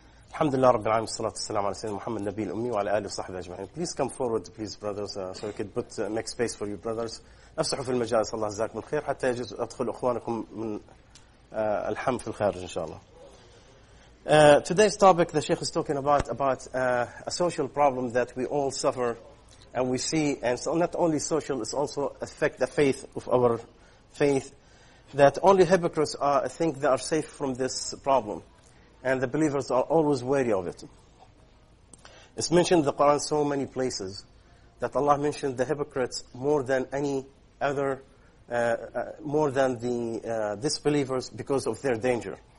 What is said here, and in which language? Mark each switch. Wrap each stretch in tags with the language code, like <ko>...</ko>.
<ar>الحمد لله رب العالمين، والصلاه والسلام على سيدنا محمد النبي الامي وعلى اله وصحبه اجمعين.</ar> <en>Please come forward please brothers so we could put make space for you brothers.</en> <ar>افسحوا في المجالس، الله يجزاكم الخير، حتى يجوز ادخل اخوانكم من الحم في الخارج ان شاء الله.</ar> <en>Today's topic the sheikh is talking about a social problem that we all suffer and we see, and so not only social, it's also affect the faith of our faith, that only hypocrites are, I think they are safe from this problem. And the believers are always wary of it. It's mentioned in the Quran so many places that Allah mentioned the hypocrites more than any other, more than the disbelievers because of their danger.</en>